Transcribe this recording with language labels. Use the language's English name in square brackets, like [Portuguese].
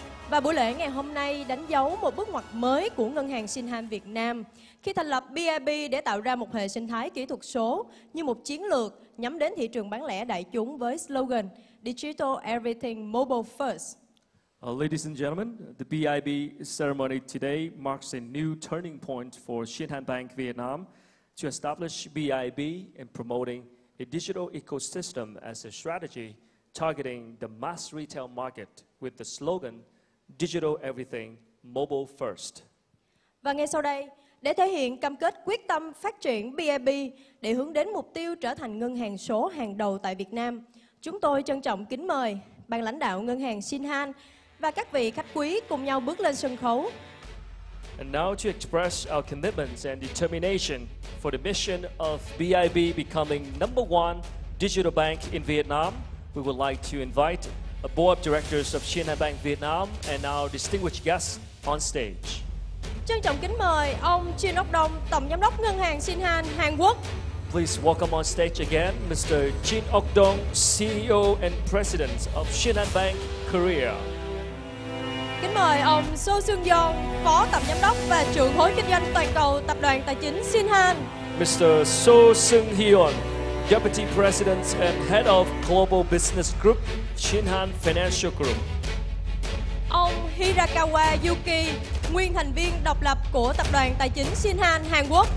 [Vietnamese] Và buổi lễ ngày hôm nay đánh dấu một bước ngoặt mới của Ngân hàng Shinhan Việt Nam khi thành lập BIB để tạo ra một hệ sinh thái kỹ thuật số như một chiến lược nhắm đến thị trường bán lẻ đại chúng với slogan Digital Everything Mobile First. [English] Ladies and gentlemen, the BIB ceremony today marks a new turning point for Shinhan Bank Vietnam to establish BIB in promoting a digital ecosystem as a strategy targeting the mass retail market with the slogan Digital Everything, Mobile First. [Vietnamese] Và ngay sau đây, để thể hiện cam kết quyết tâm phát triển BIB để hướng đến mục tiêu trở thành ngân hàng số hàng đầu tại Việt Nam, chúng tôi trân trọng kính mời ban lãnh đạo ngân hàng Shinhan và các vị khách quý cùng nhau bước lên sân khấu. [English] And now to express our commitments and determination for the mission of BIB becoming number one digital bank in Vietnam, we would like to invite the Board of Directors of Shinhan Bank Vietnam and our distinguished guests on stage. [Vietnamese] Trân trọng kính mời ông Jin Ok-dong, Tổng Giám đốc Ngân hàng Shinhan Hàn Quốc. [English] Please welcome on stage again Mr. Jin Ok-dong, CEO and President of Shinhan Bank Korea. [Vietnamese] Kính mời ông So Seung-yong, Phó Tổng Giám đốc và Trưởng khối Kinh doanh Toàn cầu Tập đoàn Tài chính Shinhan. [English] Mr. So Seung-hyun, Deputy President and Head of Global Business Group, Shinhan Financial Group. [Vietnamese] Ông Hirakawa Yuki, nguyên thành viên độc lập của Tập đoàn Tài chính Shinhan Hàn Quốc.